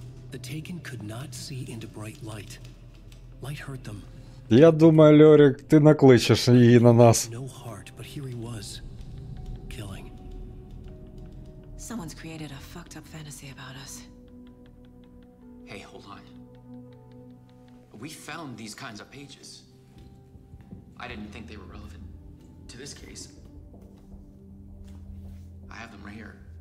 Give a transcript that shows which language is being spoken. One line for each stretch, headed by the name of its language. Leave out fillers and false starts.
English: The Taken could not see into bright light. Light hurt them.
Ukrainian: Я думаю, Льорік, ти накличеш її на нас.
English: No heart, but here he was. Killing. Someone's created a fucked up fantasy about us. Hey, hold on. We found these kinds of pages. I didn't think they were relevant. To this case, I have them right here.